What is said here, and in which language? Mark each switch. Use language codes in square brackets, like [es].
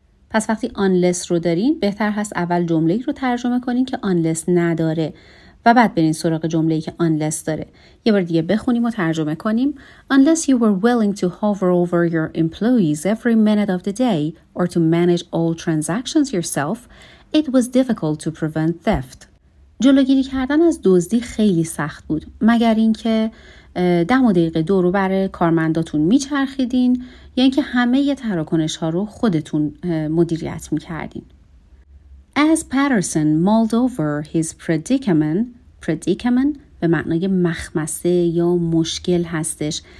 [fa] پس وقتی unless رو دارین بهتر هست اول جمله‌ای رو ترجمه کنین که unless نداره و بعد برین سراغ جمله‌ای که unless داره. یه بار دیگه بخونیم و ترجمه کنیم. [en] Unless you were willing to hover over your employees every minute of the day or to manage all transactions yourself, it was difficult to prevent theft. [fa] جلوگیری کردن از دزدی خیلی سخت بود، مگر اینکه 10 دقیقه دور و بر کارمنداتون میچرخیدین یا اینکه همه ی تراکنش ها رو خودتون مدیریت میکردین. [en] As Patterson mulled over his predicament [fa] به معنای مخمصه یا مشکل هستش.